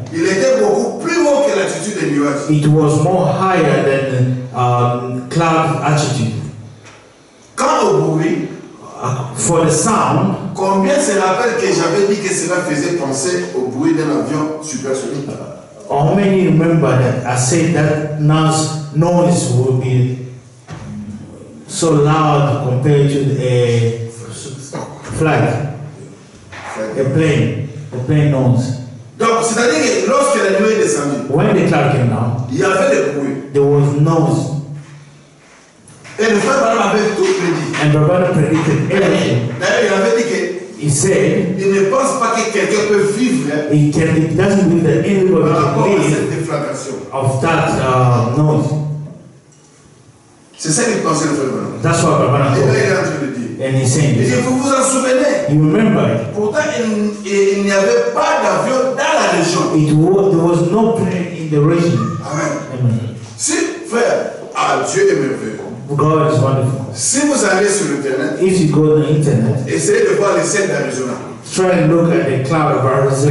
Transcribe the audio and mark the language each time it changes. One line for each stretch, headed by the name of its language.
French: Il était beaucoup plus haut que l'altitude des nuages.
English: It was more higher than cloud altitude.
French: Quand au bruit,
English: for the sound.
French: Combien se rappelle que j'avais dit que cela faisait penser au bruit d'un avion supersonique?
English: How many remember that I said that now's noise will be so loud compared to a flight, a plane, the plane noise?
French: Donc, c'est-à-dire que lorsque la nuée est descendue,
English: when the cloud came down,
French: il y avait des bruits.
English: There was noise.
French: Et le frère Branham avait tout prédit.
English: And the brother predicted everything.
French: D'ailleurs, il avait dit que
English: he said,
French: il ne pense pas que quelqu'un peut vivre.
English: Can, it doesn't mean that anybody can live of that noise.
French: C'est ça qu'il pensait le frère Branham.
English: That's what Branham said.
French: Et il a dit.
English: And he's saying,
French: et vous vous en souvenez?
English: You remember?
French: Pourtant, il n'y avait pas d'avion dans la région.
English: It was, there was no plane in the region. Amen. Amen.
French: Si, frère, ah, Dieu est merveilleux.
English: God is wonderful.
French: Si vous allez sur internet,
English: if you go on the internet,
French: essayez de voir le ciel d'Arizona.
English: Try and look at the cloud of Arizona.